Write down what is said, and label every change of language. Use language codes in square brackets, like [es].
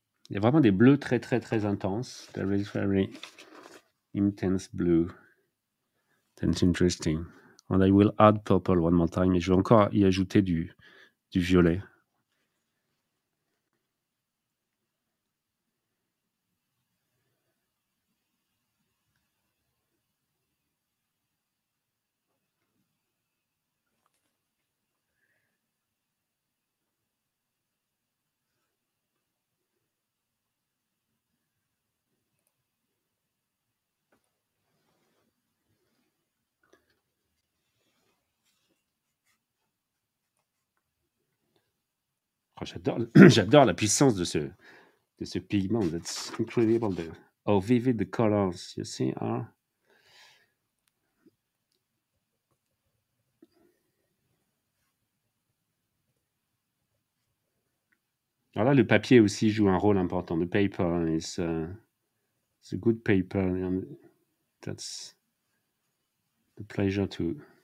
[fr] Il y a vraiment des bleus très, très, très intenses. [en] There is very intense blue. That's interesting. And I will add purple one more time. [fr] Et je vais encore y ajouter du violet. J'adore la puissance de ce pigment. [en] That's incredible. How vivid the colors you see are. [fr] Alors là, le papier aussi joue un rôle important. [en] The paper is it's a good paper. And that's the pleasure to.